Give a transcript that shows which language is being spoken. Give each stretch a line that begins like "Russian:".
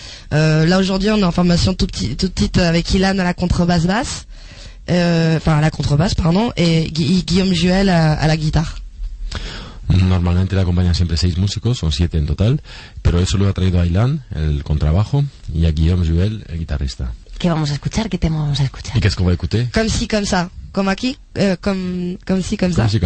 French: Là, aujourd'hui, on est en formation toute petite avec Ilan à la contrebasse basse. Enfin, à la contrebasse, pardon. Et Guillaume Juel à la guitare.
Spanish: Normalmente le acompañan siempre 6 músicos, son 7 en total, pero eso lo ha traído a Ailán, el contrabajo, y a Guillaume Jouvel, el guitarrista. ¿Qué vamos a escuchar? ¿Qué tema vamos a escuchar? ¿Y qué es como écouter?
French: Comme si, comme ça.
Spanish: Como aquí, comme si, comme ça.